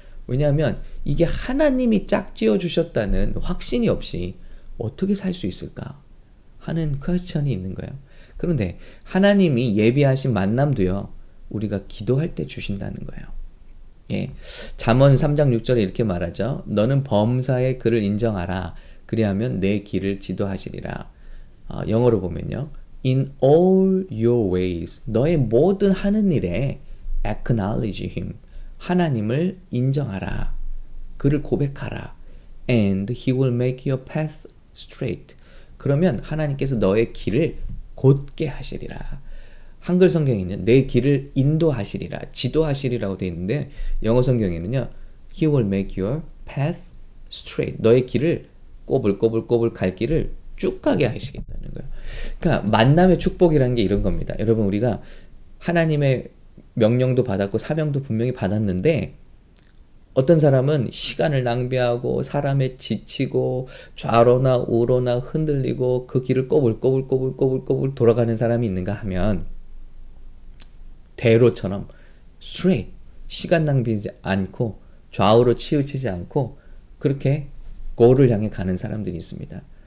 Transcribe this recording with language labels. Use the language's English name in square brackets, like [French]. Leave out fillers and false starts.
[Korean] 왜냐하면 이게 하나님이 짝지어 주셨다는 확신이 없이 어떻게 살수 있을까 하는 퀘스천이 있는 거예요. 그런데 하나님이 예비하신 만남도요, 우리가 기도할 때 주신다는 거예요. 예. 잠언 3장 6절에 이렇게 말하죠. 너는 범사에 그를 인정하라. 그리하면 내 길을 지도하시리라. 영어로 보면요. [English] In all your ways, [Korean] 너의 모든 하는 일에 [English] acknowledge him. [Korean] 하나님을 인정하라. 그를 고백하라. [English] And he will make your path straight. [Korean] 그러면 하나님께서 너의 길을 곧게 하시리라. 한글 성경에는 내 길을 인도하시리라, 지도하시리라고 되어 있는데 영어 성경에는요. [English] He will make your path straight. [Korean] 너의 길을 꼬불꼬불꼬불 갈 길을 쭉 가게 하시겠다는 거예요. 그러니까 만남의 축복이라는 게 이런 겁니다. 여러분, 우리가 하나님의 명령도 받았고 사명도 분명히 받았는데 어떤 사람은 시간을 낭비하고 사람에 지치고 좌로나 우로나 흔들리고 그 길을 꼬불꼬불꼬불꼬불꼬불 돌아가는 사람이 있는가 하면 대로처럼 스트레이트 시간 낭비하지 않고 좌우로 치우치지 않고 그렇게 골을 향해 가는 사람들이 있습니다.